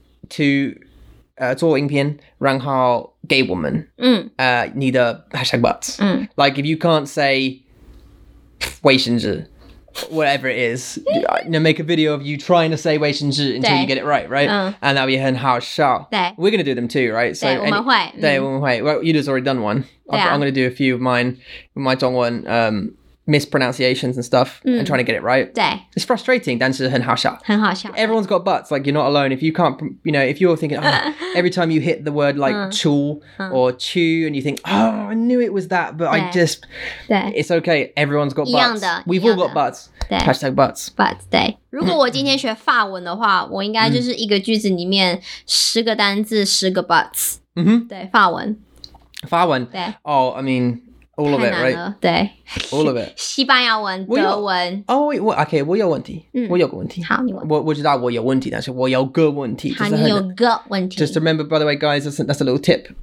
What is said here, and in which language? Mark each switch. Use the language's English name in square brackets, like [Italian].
[English] To [Chinese] 做影片，然后给我们。嗯。你的 hashtag buts。嗯。 [English] Like if you can't say 卫生纸 whatever it is, you know, make a video of you trying to say 卫生纸 until you get it right, right?、 [Chinese] 嗯、 [English] And that'll be [Chinese] 很好笑。对。 [English] We're gonna do them too, right? So, [Chinese] 对，我们会。对，我们会。 [English] Well, you just already done one. Yeah. I'm gonna do a few of mine, my 中文mispronunciations and stuff、 [Chinese] 嗯、 [English] and trying to get it right. [Chinese] 对 [English] It's frustrating, [Chinese] 但是很好笑很好笑 [English] Everyone's got butts, like you're not alone. If you can't, you know, if you're thinking, oh, every time you hit the word like 、嗯、chul or chew and you think, oh, I knew it was that, but I just, [Chinese] 对 [English] it's okay. Everyone's got butts. [Chinese] 一样的 [English] We've all got butts. [Chinese] 对 [English] Hashtag butts. [Chinese] Butts, 对如果我今天学法文的话我应该就是一个句子里面十个单字十个 butts. 嗯哼对法文法文对 [English] Oh, I mean,All of it, right? [Chinese] 对 [English] All of it. [Chinese] 西班牙文德文 [English] Oh, wait, wait, okay, [Chinese] 我有问题、嗯、我有个问题好你问我知道我有问题但是我有个问题好你有个问题 [English] Just remember, by the way, guys, that's a little tip.